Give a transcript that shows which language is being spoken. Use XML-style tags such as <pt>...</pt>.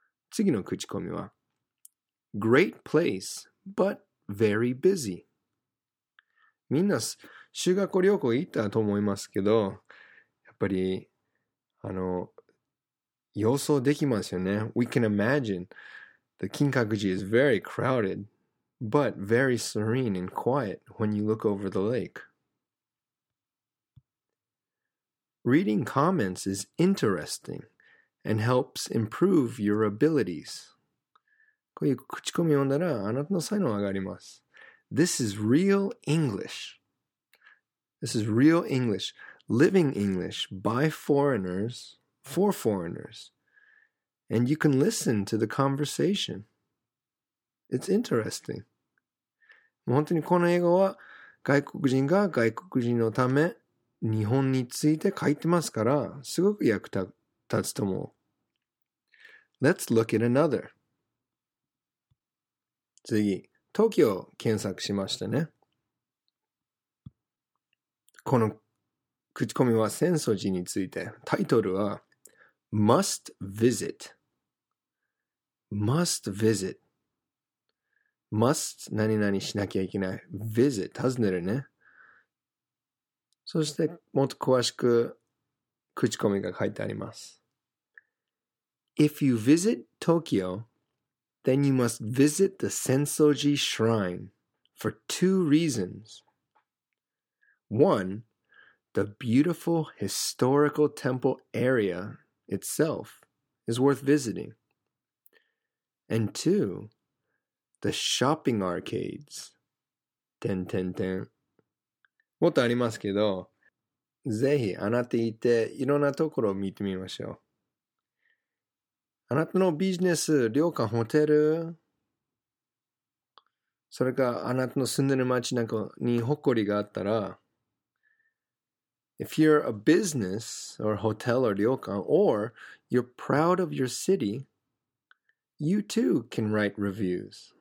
<ja>次の口コミは、</ja> <en>Great place, but very busy.</en> <ja>みんな修学旅行行ったと思いますけど、やっぱり、予想できますよね。</ja> <en>We can imagine the 金閣寺 is very crowded. But very serene and quiet when you look over the lake. Reading comments is interesting and helps improve your abilities.</en> <ja>こういう口コミを読んだらあなたの才能上がります。</ja> <en>This is real English. This is real English. Living English by foreigners for foreigners. And you can listen to the conversation. It's interesting.</en> <ja>本当にこの英語は外国人が外国人のため日本について書いてますからすごく役立つと思う。</ja> <en>Let's look at another.</en> <ja>次、東京を検索しましたね。この口コミは浅草寺について。タイトルは</ja> <en>Must Visit。 Must Visit。 Must</en> <ja>何々しなきゃいけない。 Visit 訪ねるね。そしてもっと詳しく口コミが書いてあります。</ja> <en>If you visit Tokyo, then you must visit the Sensoji Shrine for two reasons. One, the beautiful historical temple area itself is worth visiting. And two,The shopping arcades.</en> <ja>もっとありますけど、ぜひあなた行っていろんなところを見てみましょう。あなたのビジネス、旅館、ホテル、それかあなたの住んでる街なんかに誇りがあったら、</ja> <en>If you're a business or hotel or 旅館 or you're proud of your city,You too can write reviews.</en>